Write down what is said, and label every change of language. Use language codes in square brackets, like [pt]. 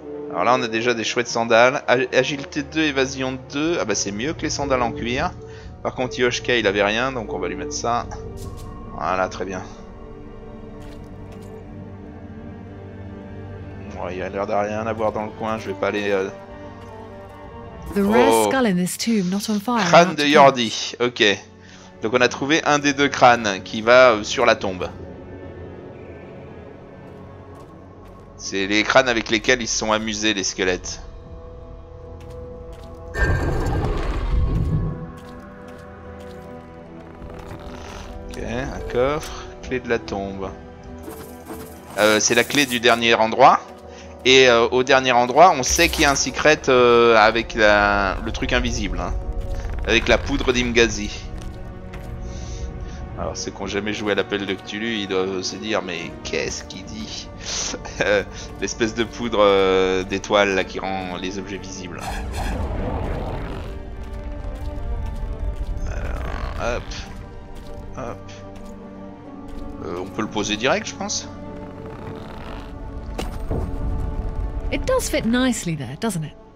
[fr] Alors là on a déjà des chouettes sandales. Agilité 2, évasion 2. Ah bah c'est mieux que les sandales en cuir. Par contre Yoshka il avait rien donc on va lui mettre ça. Voilà, très bien. Bon, il a l'air d'avoir rien à voir dans le coin. Je vais pas aller... [en] The rare skull in this tomb, not on fire. [fr] Crâne de Yordi, ok. Donc on a trouvé un des deux crânes qui va sur la tombe. C'est les crânes avec lesquels ils se sont amusés, les squelettes. Ok, un coffre, clé de la tombe. C'est la clé du dernier endroit. Et au dernier endroit, on sait qu'il y a un secret avec le truc invisible. Hein, avec la poudre d'Imgazi. Alors, ceux qui n'ont jamais joué à l'appel de Cthulhu, ils doivent se dire, mais qu'est-ce qu'il dit? L'espèce de poudre d'étoile là, qui rend les objets visibles. Alors, hop. Hop. On peut le poser direct, je pense. [en] It does fit nicely there, doesn't it?